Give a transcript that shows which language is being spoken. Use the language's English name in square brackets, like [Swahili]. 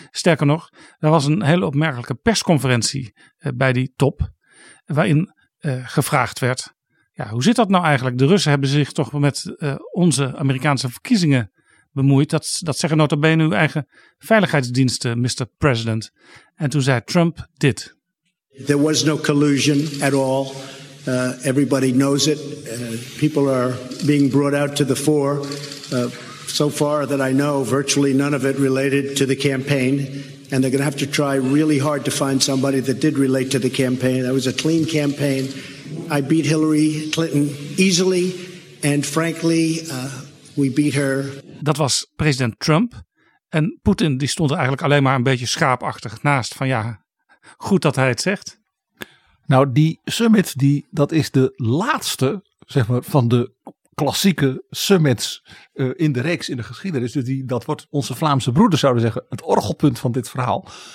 [Dutch] Sterker nog, er was een hele opmerkelijke persconferentie bij die top, waarin gevraagd werd, hoe zit dat nou eigenlijk? De Russen hebben zich toch met onze Amerikaanse verkiezingen bemoeid. Dat zeggen nota bene uw eigen veiligheidsdiensten, Mr. President. En toen zei Trump dit. [English] There was no collusion at all. Everybody knows it. People are being brought out to the fore. So far that I know, virtually none of it related to the campaign. And they're going to have to try really hard to find somebody that did relate to the campaign. That was a clean campaign. I beat Hillary Clinton easily. And frankly, we beat her. [Dutch] Dat was president Trump. En Poetin die stond er eigenlijk alleen maar een beetje schaapachtig naast. Van ja, goed dat hij het zegt. Nou, die summit, dat is de laatste, zeg maar, van de klassieke summits in de reeks in de geschiedenis. Dus dat wordt, onze Vlaamse broeders zouden zeggen, het orgelpunt van dit verhaal.